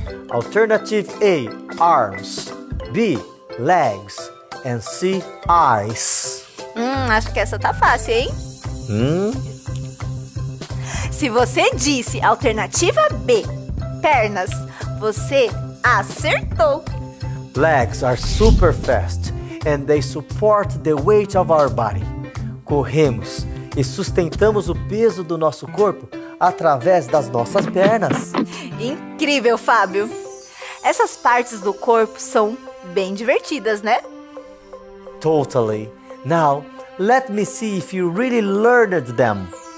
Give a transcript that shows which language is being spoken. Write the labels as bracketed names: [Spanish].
[English] Alternative A, arms. B, legs. And C, eyes. [Portuguese] Acho que essa tá fácil, hein? Se você disse alternativa B, pernas, você acertou. [English] Legs are super fast and they support the weight of our body. [Portuguese] Corremos e sustentamos o peso do nosso corpo através das nossas pernas. Incrível, Fábio! Essas partes do corpo são bem divertidas, né? [English] Totally. Now, let me see if you really learned them.